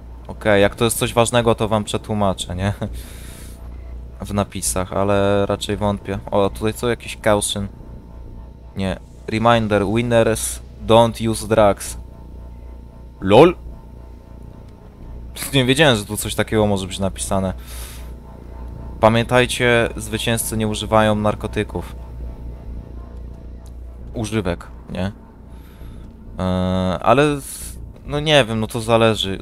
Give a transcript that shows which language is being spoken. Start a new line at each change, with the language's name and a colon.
Polish: Okej, jak to jest coś ważnego, to wam przetłumaczę, nie? W napisach, ale raczej wątpię. O, tutaj co? Jakiś caution. Nie.
English: Reminder, winners don't use drugs. LOL?
Polish: Nie wiedziałem, że tu coś takiego może być napisane. Pamiętajcie, zwycięzcy nie używają narkotyków. Używek, nie? Ale no nie wiem, no to zależy.